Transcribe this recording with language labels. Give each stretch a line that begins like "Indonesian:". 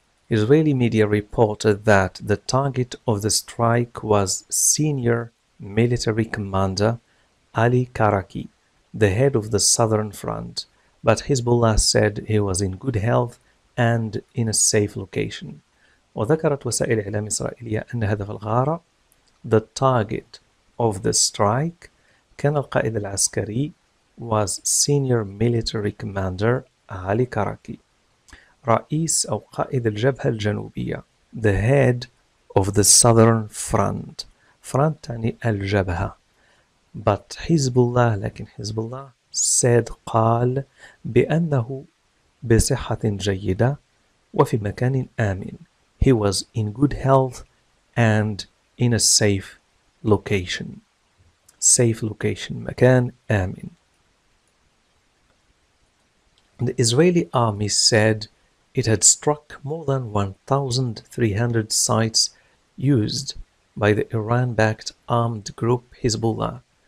English: Israeli media reported that the target of the strike was senior military commander Ali Karaki, the head of the Southern Front, but Hezbollah said he was in good health and in a safe location.
Arabic: وذكرت وسائل إعلام إسرائيلية أن هدف الغارة,
English: the target of the strike,
Arabic: كان القائد العسكري,
English: was senior military commander Ali Karaki,
Arabic: رئيس أو قائد الجبهة الجنوبية,
English: the head of the Southern Front.
Arabic: front يعني الجبهة.
English: But Hezbollah,
Arabic: لكن حزب الله,
English: said,
Arabic: قال بأنه بصحة جيدة وفي مكان آمن.
English: He was in good health and in a safe location. safe location,
Arabic: مكان آمن.
English: The Israeli army said it had struck more than 1,300 sites used by the Iran-backed armed group Hezbollah.